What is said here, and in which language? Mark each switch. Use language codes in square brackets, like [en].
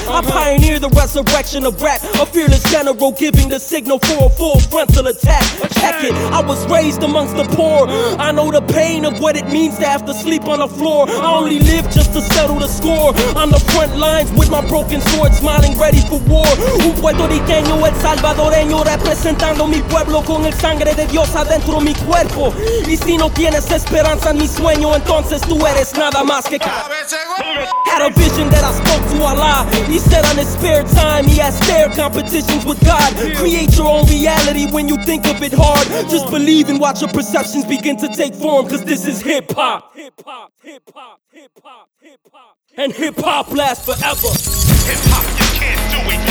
[en] I pioneer the resurrection of rap, a fearless general giving the signal for a full frontal attack. Check it, I was raised amongst the poor. I know the pain of what it means to have to sleep on the floor. I only live just to settle the score. On the front lines with my broken sword, smiling ready for war. [es] Un puertorriqueño, el salvadoreño, representando mi pueblo con el sangre de Dios adentro mi cuerpo. Y si no tienes esperanza en mi sueño, entonces tú eres nada más que [en] had a vision that I spoke to Allah. He said on his spare time he has fair competitions with God. Create your own reality when you think of it hard. Just believe and watch your perceptions begin to take form. Cause this is hip-hop. Hip-hop, hip-hop, hip-hop, hip-hop. And hip-hop lasts forever. Hip-hop, you can't do it.